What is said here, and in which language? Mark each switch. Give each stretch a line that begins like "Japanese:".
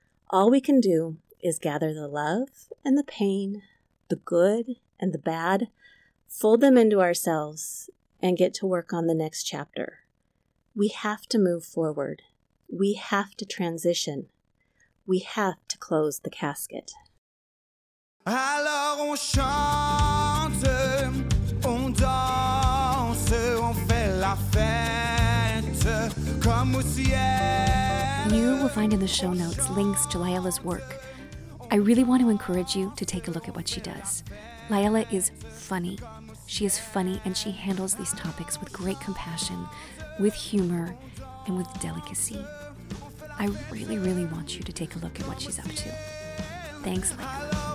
English: All we can do is gather the love and the pain, the good and the bad, fold them into ourselves, and get to work on the next chapter. We have to move forward. We have to transition. We have to close the casket.
French: Alors on chante, on danse, on fait la fête, comme au ciel.
English: You will find in the show notes links to Layla's work. I really want to encourage you to take a look at what she does. Layla is funny. She is funny and she handles these topics with great compassion, with humor, and with delicacy. I really, really want you to take a look at what she's up to. Thanks, Layla.